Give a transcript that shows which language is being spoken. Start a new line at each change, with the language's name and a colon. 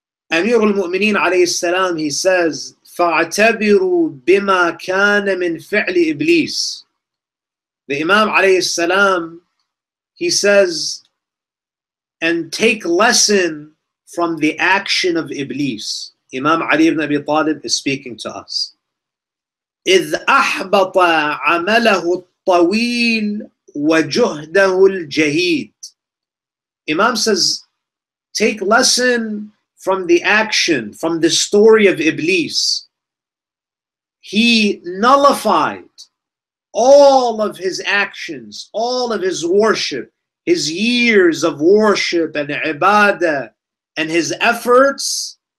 English: Amir al-Mu'mineen alayhi salam, he says,
Arabic: فَاعْتَبِرُوا بِمَا كَانَ مِنْ فِعْلِ إِبْلِيسِ.
English: The Imam alayhi salam, he says, and take lesson from the action of Iblis. Imam Ali ibn Abi Talib is speaking to us.
Arabic: إِذْ أَحْبَطَ عَمَلَهُ الطَّوِيلُ وَجُهْدَهُ الْجَهِيدُ.
English: Imam says, take lesson from the action, from the story of Iblis. He nullified all of his actions, all of his worship, his years of worship and ibadah, and his efforts,